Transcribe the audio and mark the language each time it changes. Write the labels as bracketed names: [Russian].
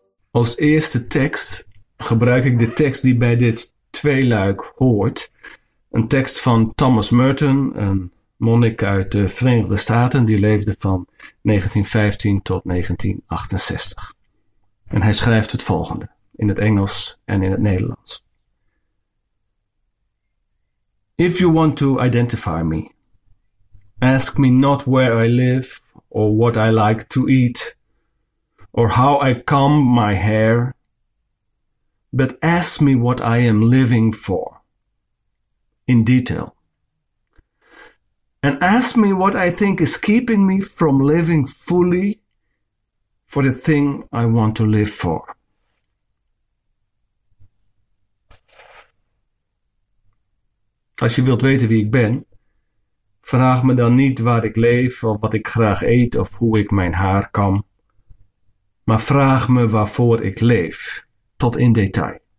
[Dutch] Als eerste tekst gebruik ik de tekst die bij dit tweeluik hoort. Een tekst van Thomas Merton, een monnik uit de Verenigde Staten, die leefde van 1915 tot 1968. En hij schrijft het volgende, in het Engels en in het Nederlands. [English] If you want to identify me, ask me not where I live or what I like to eat, or how I comb my hair, but ask me what I am living for, in detail. And ask me what I think is keeping me from living fully for the thing I want to live for. [Dutch] Als je wilt weten wie ik ben, vraag me dan niet waar ik leef, of wat ik graag eet, of hoe ik mijn haar kam. Maar vraag me waarvoor ik leef, tot in detail.